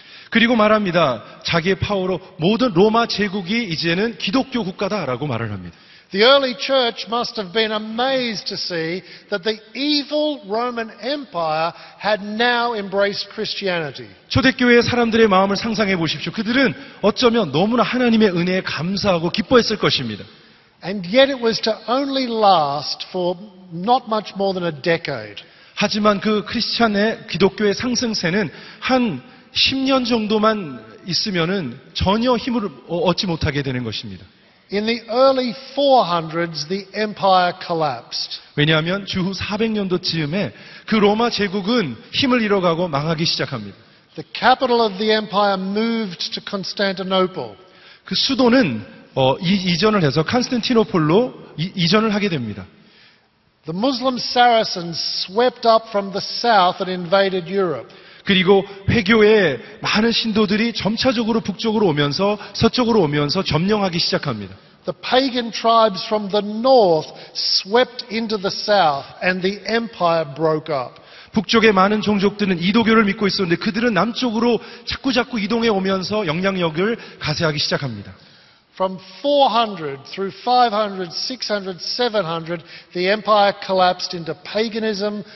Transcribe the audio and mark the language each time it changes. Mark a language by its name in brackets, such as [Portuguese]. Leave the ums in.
[Korean] 그리고 말합니다. 자기의 파워로 모든 로마 제국이 이제는 기독교 국가다라고 말을 합니다. [English] The early church must have been amazed to see that the evil Roman Empire had now embraced Christianity. [Korean] 초대교회의 사람들의 마음을 상상해 보십시오. 그들은 어쩌면 너무나 하나님의 은혜에 감사하고 기뻐했을 것입니다. [English] And yet it was to only last for not much more than a decade. [Korean] 하지만 그 크리스천의 기독교의 상승세는 한 10년 정도만 있으면 전혀 힘을 얻지 못하게 되는 것입니다. [English] In the early 400s, the empire collapsed. [Korean] 왜냐하면 주후 400년도 쯤에 그 로마 제국은 힘을 잃어가고 망하기 시작합니다. [English] The capital of the empire moved to Constantinople. [Korean] 그 수도는 어, 이, 이전을 해서 칸스탄티노폴로 이, 이전을 하게 됩니다. [English] The Muslim Saracens swept up from the south and invaded Europe. [Korean] 그리고 회교에 많은 신도들이 점차적으로 북쪽으로 오면서 서쪽으로 오면서 점령하기 시작합니다. [English] The pagan tribes from the north swept into the south and the empire broke up. [Korean] 북쪽의 많은 종족들은 이도교를 믿고 있었는데 그들은 남쪽으로 자꾸 자꾸 이동해 오면서 영향력을 가세하기 시작합니다. [English] From 400 through 500, 600, 700, the empire collapsed into paganism,